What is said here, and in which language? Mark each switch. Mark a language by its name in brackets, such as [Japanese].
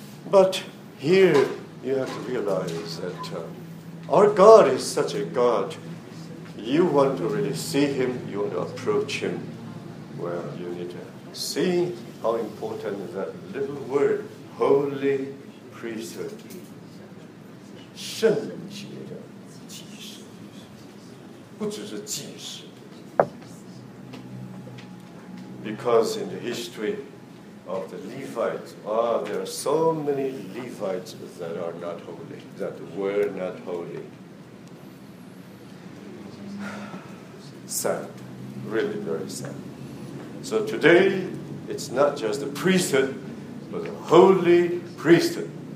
[English] But here you have to realize that our God is such a God. You want to really see him, you want to approach him. Well, you need to see how important that little word, holy priesthood. [Chinese] 圣洁的祭司，不只是祭司。 [English] Because in the history of the Levites, there are so many Levites that are not holy, that were not holy. Sad, really very sad. So today, it's not just the priesthood, but the holy priesthood.